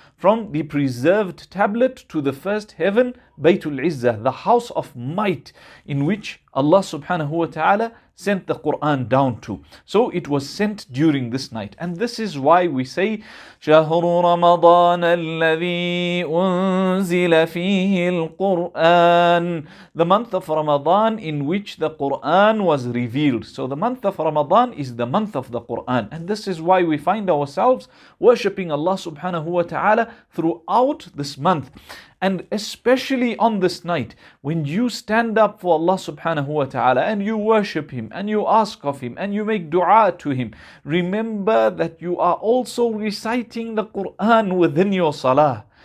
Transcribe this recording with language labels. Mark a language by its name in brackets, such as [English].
[English] From the preserved tablet to the first heaven, Baytul Izzah, the house of might in which Allah subhanahu wa ta'ala sent the Quran down to. So it was sent during this night. And this is why we say, [Arabic] شهر رمضان الذي أنزل فيه القرآن. [English] The month of Ramadan in which the Quran was revealed. So the month of Ramadan is the month of the Quran. And this is why we find ourselves worshipping Allah subhanahu wa ta'ala throughout this month. And especially on this night, when you stand up for Allah subhanahu wa ta'ala and you worship Him and you ask of Him and you make dua to Him, remember that you are also reciting the Quran within your salah.